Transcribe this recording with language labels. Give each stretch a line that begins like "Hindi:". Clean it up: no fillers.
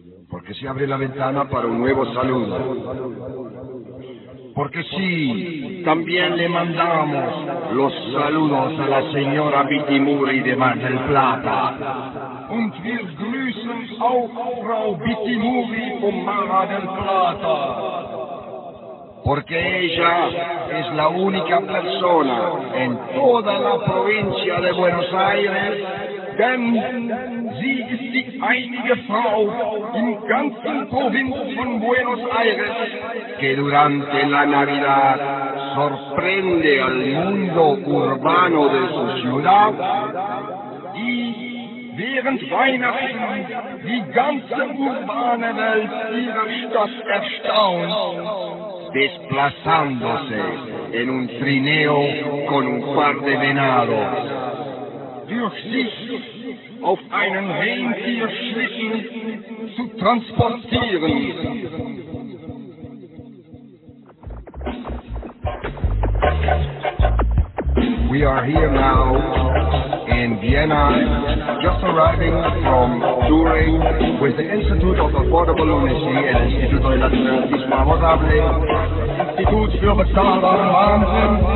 Spanish: porque se abre la ventana para un nuevo saludo, porque sí, también le mandamos los saludos a la señora Vitimuri de Mar del Plata.
German: und wir grüßen auch Frau Bitty Movie vom Mara del Plata.
Spanish: Porque ella es la única persona en toda la provincia de Buenos Aires.
German: Denn sie ist die einzige Frau im ganzen Provinz von Buenos Aires,
Spanish: que durante la Navidad sorprende al mundo urbano de su ciudad,
German: y während Weihnachten die ganze urbane Welt ihrer Stadt erstaunt,
Spanish: desplazándose en un trineo con un par de venados.
German: Durch sich auf einen Rentierschlitten zu transportieren.
English: We are here now in Vienna, just arriving from touring with the Institute of Affordable Lunacy and Institut für Nationalismus Amorable.
German: Institut für bezahlbaren Wahnsinn.